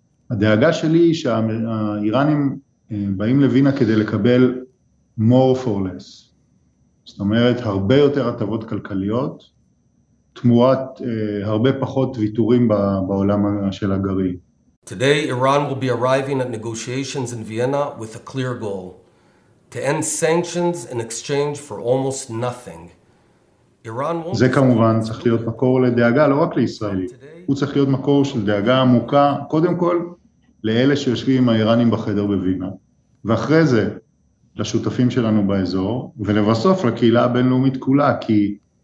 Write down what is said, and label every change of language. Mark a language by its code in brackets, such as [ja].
[he] הדאגה שלי היא שהאיראנים באים לווינה כדי לקבל [en] more for less. [he] זאת אומרת, הרבה יותר הטבות כלכליות, תמורת הרבה פחות ויתורים בעולם של הגרעין. [en] Today, Iran will be arriving at negotiations in Vienna with a clear goal, to end sanctions in exchange for almost nothing. [he] זה כמובן צריך להיות מקור לדאגה לא רק לישראלי, הוא צריך להיות מקור של דאגה עמוקה, קודם כל לאלה שיושבים עם האיראנים בחדר בווינה, ואחרי זה לשותפים שלנו באזור, ולבסוף לקהילה הבינלאומית כולה, כי